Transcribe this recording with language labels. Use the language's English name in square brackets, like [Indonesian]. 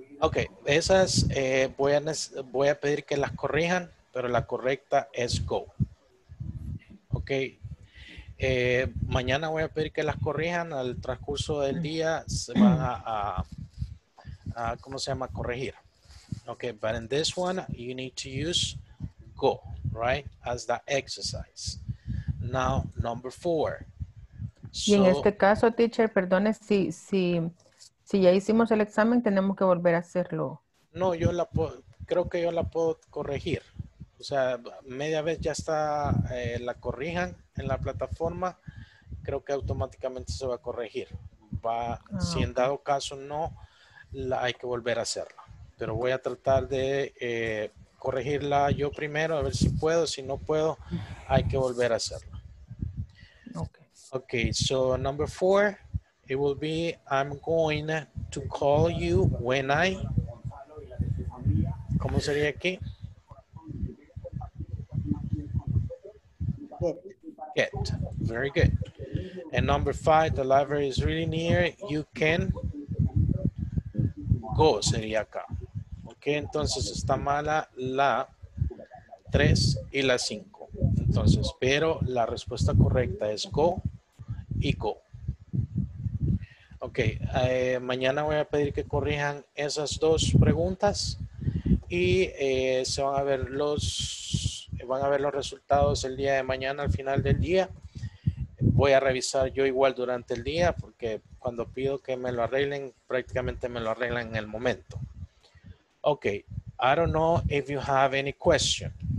[Spanish] Okay, esas voy a pedir que las corrijan, pero la correcta es go. Okay. Mañana voy a pedir que las corrijan, al transcurso del día se van a ¿cómo se llama? Corregir. [English] Okay, but in this one, you need to use go, right? As the exercise. Now, number four. [Spanish] So, y en este caso, teacher, perdone, si ya hicimos el examen, tenemos que volver a hacerlo. No, yo la puedo, creo que yo la puedo corregir. O sea, media vez ya está, la corrijan en la plataforma, creo que automáticamente se va a corregir. Si en dado caso no, hay que volver a hacerla. Pero voy a tratar de corregirla yo primero, a ver si puedo. Si no puedo, hay que volver a hacerla. [English] Okay. Okay, so number four, it will be, I'm going to call you when I... [Spanish] ¿Cómo sería aquí? [English] Get. Very good. And number five, the library is really near. You can go, [Spanish] sería acá. Okay, entonces está mala la 3 y la 5. Entonces, pero la respuesta correcta es go y go. Ok, mañana voy a pedir que corrijan esas dos preguntas y se van a ver los resultados el día de mañana al final del día. Voy a revisar yo igual durante el día porque cuando pido que me lo arreglen, prácticamente me lo arreglan en el momento. [English] Ok, I don't know if you have any question.